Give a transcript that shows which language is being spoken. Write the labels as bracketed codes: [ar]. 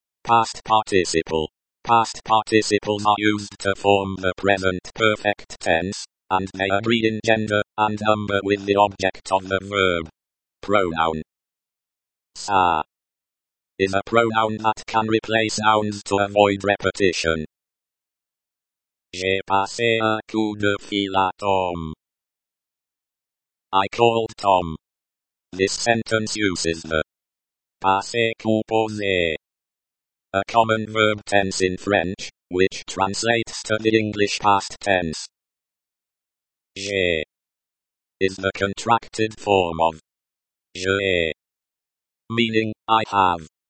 [en] Past participle. Past participles are used to form the present perfect tense, and they agree in gender and number with the object of the verb. Pronoun. Sa. Is a pronoun that can replace nouns to avoid repetition. [fr] J'ai passé un coup de fil à Tom. [en] I called Tom. This sentence uses the passé composé, a common verb tense in French, which translates to the English past tense. J'ai is the contracted form of j'ai, meaning I have.